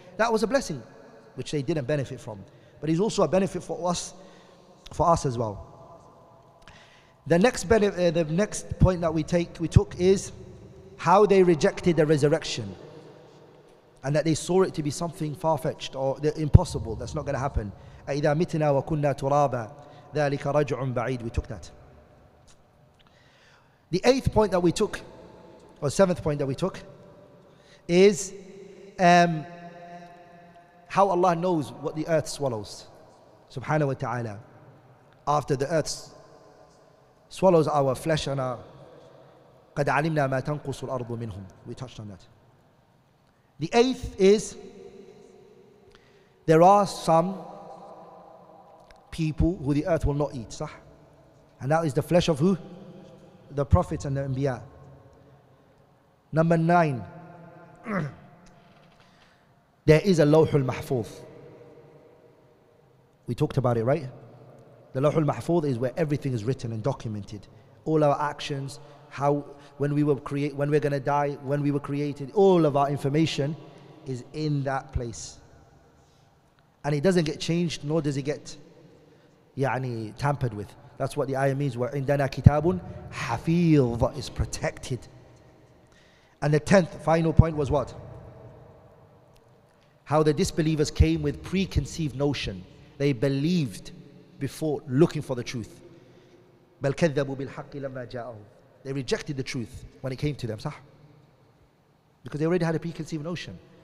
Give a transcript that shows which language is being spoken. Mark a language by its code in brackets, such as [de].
[en] That was a blessing, which they didn't benefit from. But he's also a benefit for us as well. The next point that we took is how they rejected the resurrection, and that they saw it to be something far-fetched or impossible, that's not going to happen. [ar] أَإِذَا مِتْنَا وَكُنَّا تُرَابًا ذَلِكَ رَجْعٌ بَعِيدٌ. [en] We took that. The eighth point that we took, or seventh point that we took, is how Allah knows what the earth swallows, subhanahu wa ta'ala, after the earth swallows our flesh and our... [ar] قَدْ عَلِمْنَا مَا تَنْقُصُ الْأَرْضُ مِنْهُمْ. [en] We touched on that. The eighth is, there are some people who the earth will not eat, صح? And that is the flesh of who? The prophets and the Anbiya. Number nine, there is a Lawhul Mahfuz. We talked about it, right? The Lawhul Mahfuz is where everything is written and documented. All our actions, how, when we will create, when we're going to die, when we were created, all of our information is in that place. And it doesn't get changed, nor does it get tampered with. That's what the ayah means. [ar] وَعِنْدَنَا كِتَابٌ حَفِيظٌ, [en] is protected. And the tenth, final point was what? How the disbelievers came with preconceived notion. They believed before looking for the truth. [ar] بَلْ كَذَّبُوا بِالْحَقِّ لَمَّا جَاءُوا. [en] They rejected the truth when it came to them, صح? Because they already had a preconceived notion.